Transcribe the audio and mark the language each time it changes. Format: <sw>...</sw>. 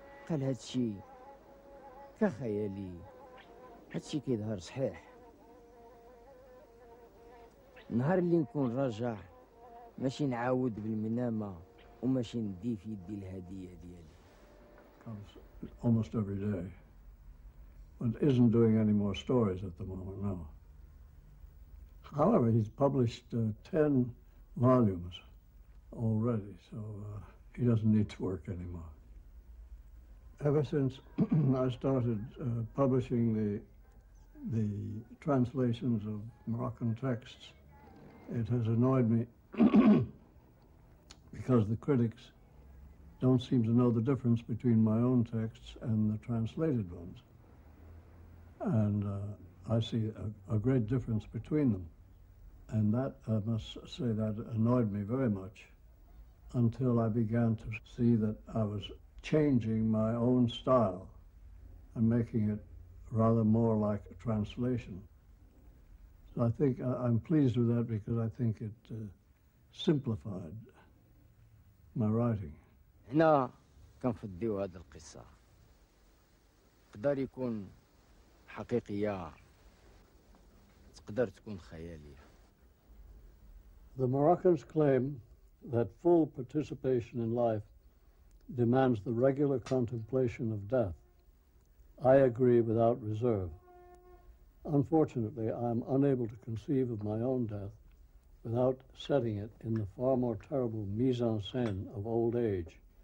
<ar>قال هادشي كخيالي هادشي كيظهر صحيح. نهار اللي نكون راجع ماشي نعاود بالمنامة وماشي ندي في يدي الهدية ديالي.</ar> <en>Almost every day. But isn't doing any more stories at the moment now. However, he's published 10 volumes already, so he doesn't need to work anymore. Ever since I started publishing the translations of Moroccan texts, it has annoyed me because the critics don't seem to know the difference between my own texts and the translated ones. And I see a great difference between them. And that, I must say, that annoyed me very much until I began to see that I was changing my own style and making it rather more like a translation. So I think I'm pleased with that because I think it simplified my writing.</en> <ar>هنا كنفديو هاد القصة. تقدر يكون حقيقية تقدر تكون خيالية.</ar> <en>The Moroccans claim that full participation in life demands the regular contemplation of death. I agree without reserve. Unfortunately, I am unable to conceive of my own death without setting it in the far more terrible mise-en-scène of old age.</en>